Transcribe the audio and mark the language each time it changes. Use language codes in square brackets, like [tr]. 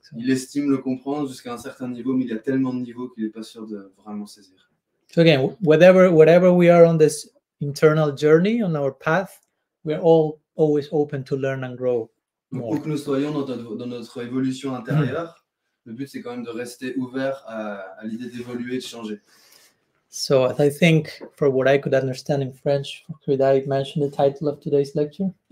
[fr] So. Il estime le comprendre jusqu'à un certain niveau, mais il y a tellement de niveaux qu'il n'est pas sûr de vraiment saisir. [en] So again, whatever we are on this internal journey, on our path, we are all always open to learn and grow more. [fr] Donc, où que nous soyons dans notre évolution intérieure, le but c'est quand même de rester ouvert à l'idée d'évoluer, de changer. [en] So I think, for what I could understand in French, could I mention the title of today's lecture?